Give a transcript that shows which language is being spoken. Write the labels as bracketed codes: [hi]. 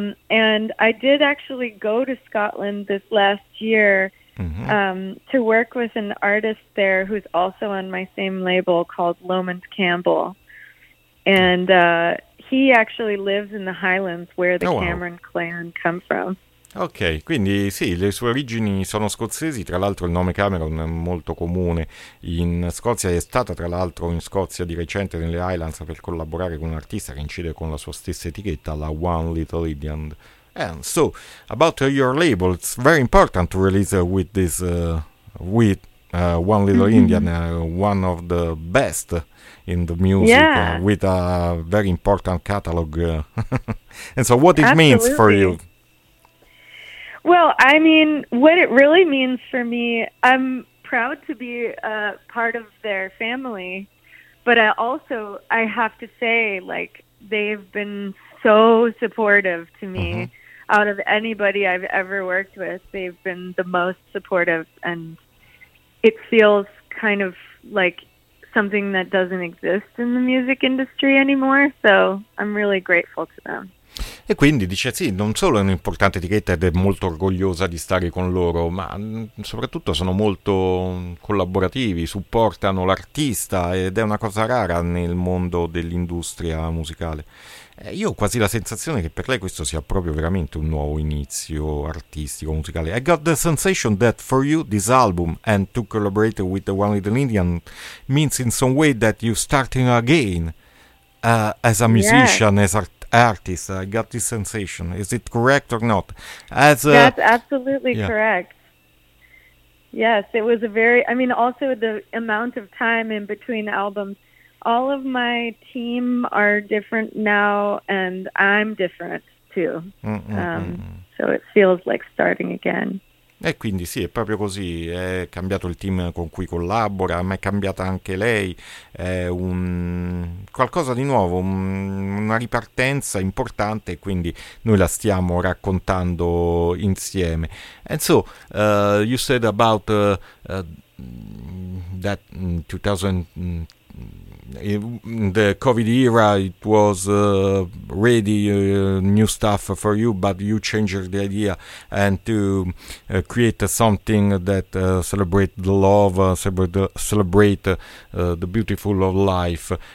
[en] And I did actually go to Scotland this last year to work with an artist there who's also on my same label called Lomond Campbell. And he actually lives in the Highlands, where the Cameron clan come from. [it] Ok, quindi sì, le sue origini sono scozzesi, tra l'altro il nome Cameron è molto comune in Scozia, è stata tra l'altro in Scozia di recente nelle Highlands per collaborare con un artista che incide con la sua stessa etichetta, la One Little Indian. [en] And so, about your label, it's very important to release with this, with One Little Indian, one of the best in the music, with a very important catalog. And so what it means for you? Well, I mean, what it really means for me, I'm proud to be a part of their family, but I also, I have to say, like, they've been so supportive to me. Mm-hmm. Out of anybody I've ever worked with, they've been the most supportive, and it feels kind of like something that doesn't exist in the music industry anymore, so I'm really grateful to them. [it] E quindi dice sì, non solo è un'importante etichetta ed è molto orgogliosa di stare con loro, ma soprattutto sono molto collaborativi, supportano l'artista ed è una cosa rara nel mondo dell'industria musicale. Io ho quasi la sensazione che per lei questo sia proprio veramente un nuovo inizio artistico, musicale. [en] I got the sensation that for you this album and to collaborate with the One Little Indian means in some way that you're starting again as a musician, as artist. I got this sensation. Is it correct or not? As that's absolutely correct. Yes, it was a very, I mean, also the amount of time in between albums. All of my team are different now, and I'm different too. So it feels like starting again. [it] E quindi sì, è proprio così, è cambiato il team con cui collabora, ma è cambiata anche lei, è un qualcosa di nuovo, una ripartenza importante, quindi noi la stiamo raccontando insieme. [en] And so, you said about that 2000, the COVID era, it was ready new stuff for you, but you changed the idea and to create something that celebrate the love, celebrate the beautiful of life.